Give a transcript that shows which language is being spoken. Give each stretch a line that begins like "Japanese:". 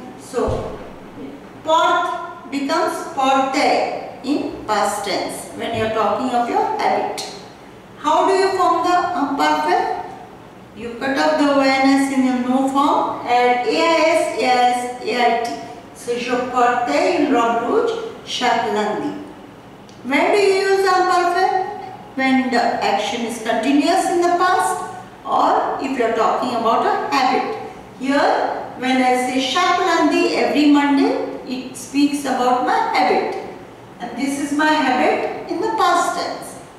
English: So, port becomes portais in past tense when you are talking of your habit. How do you form the imparfait? You cut off the ONS in your no form and AIS, AIS, AIT.
French: So, je portais une robe rouge chaque lundi.
English: When do you use imparfait? When the action is continuous in the past or if you are talking about a habit. Here, when I say
French: chaque lundi
English: every Monday, it speaks about my habit. And this is my habit in the past tense.